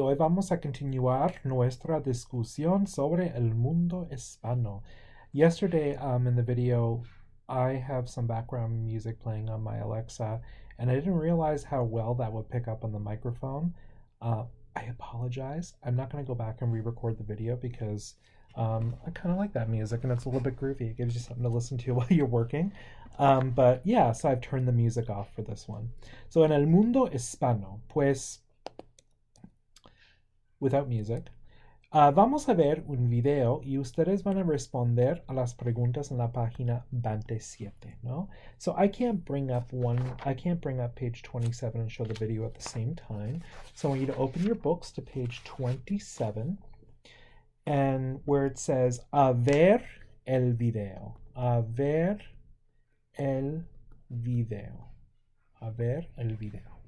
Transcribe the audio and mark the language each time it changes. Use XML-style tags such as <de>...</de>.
<es>Hoy vamos a continuar nuestra discusión sobre el mundo hispano.</es> <en>Yesterday, in the video, I have some background music playing on my Alexa, and I didn't realize how well that would pick up on the microphone. I apologize. I'm not going to go back and re-record the video because I kind of like that music, and it's a little bit groovy. It gives you something to listen to while you're working. But yeah, so I've turned the music off for this one.</en> <es>So en el mundo hispano, pues,</es> <en>without music,</en> <es>vamos a ver un video y ustedes van a responder a las preguntas en la página 27, ¿no?</es> <en>So I can't bring up page 27 and show the video at the same time. So I want you to open your books to page 27 and where it says,</en> <es>a ver el video. A ver el video. A ver el video.</es>